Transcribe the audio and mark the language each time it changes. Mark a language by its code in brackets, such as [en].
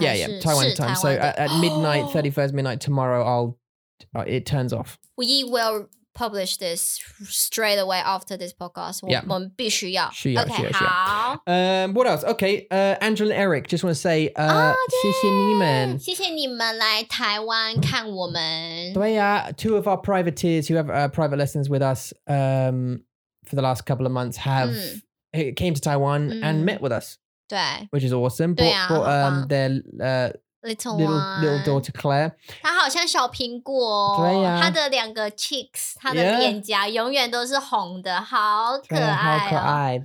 [en] Yeah, yeah, Taiwan time. So at midnight, 31st midnight tomorrow, it turns off. We will publish this straight away after this podcast. Yeah. [zh] 我们必须要。需要, okay, 需要。 [en] What else? Okay, Angela and Eric, just want to say, [zh] 谢谢你们。谢谢你们来台湾看我们。对啊, [en] two of our privateers who have private lessons with us for the last couple of months have came to Taiwan and met with us. [zh] 对。 [en] Which is awesome. [zh] 对啊, [en] bought, their... Little daughter Claire. [zh] 她好像小苹果，她的两个 cheeks, 她的脸颊永远都是红的，好可爱。